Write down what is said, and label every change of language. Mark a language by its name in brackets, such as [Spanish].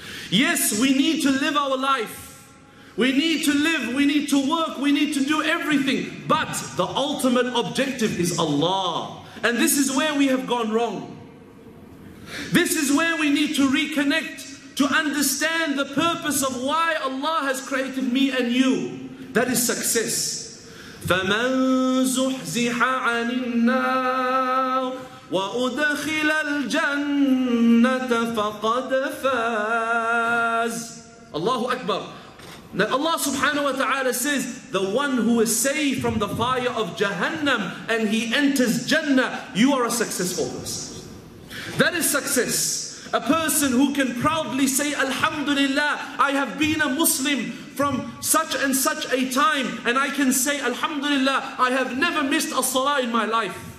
[English] Yes, we need to live our life. We need to live, we need to work, we need to do everything. But the ultimate objective is Allah. And this is where we have gone wrong. This is where we need to reconnect, to understand the purpose of why Allah has created me and you. That is success. [Arabic] فَمَنْ زُحْزِحَ عَنِ النَّارِ وَأُدْخِلَ الْجَنَّةَ فَقَدْ فَازَ [English] Allahu Akbar. Now Allah subhanahu wa ta'ala says, the one who is saved from the fire of Jahannam and he enters Jannah, you are a successful person. That is success. A person who can proudly say, Alhamdulillah, I have been a Muslim from such and such a time, and I can say, Alhamdulillah, I have never missed a salah in my life.